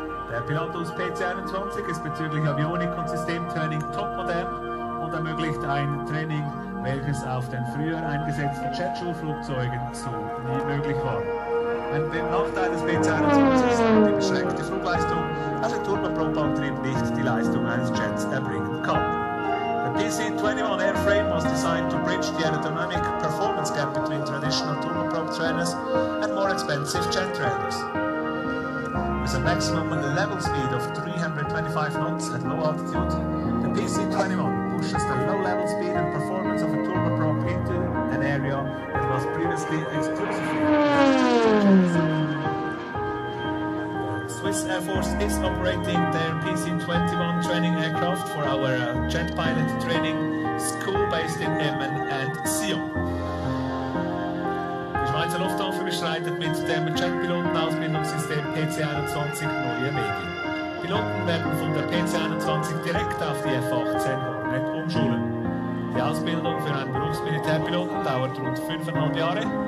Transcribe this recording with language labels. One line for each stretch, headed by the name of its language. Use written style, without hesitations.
German: Der Pilatus PC-21 ist bezüglich Avionik und Systemtraining topmodern und ermöglicht ein Training, welches auf den früher eingesetzten Jetschulflugzeugen so nie möglich war. Ein Nachteil des PC-21 ist die beschränkte Flugleistung, also Turboprop-Antrieb nicht die Leistung eines Jets erbringen kann.
English: The PC-21 airframe was designed to bridge the aerodynamic performance gap between traditional turboprop trainers and more expensive jet trainers. With a maximum level speed of 325 knots at low altitude, the PC-21 pushes the low level speed and performance of a turboprop into an area that was previously exclusively. Swiss Air Force is operating their PC-21 training aircraft for our jet pilot training school based in Emmen and Sion.
German: Die Schweizer Luftwaffe beschreitet mit dem Jetpilotenausbildungssystem PC-21 neue Medien. Piloten werden von der PC-21 direkt auf die F-18-Hornet umschulen. Die Ausbildung für einen Berufsmilitärpiloten dauert rund 5,5 Jahre.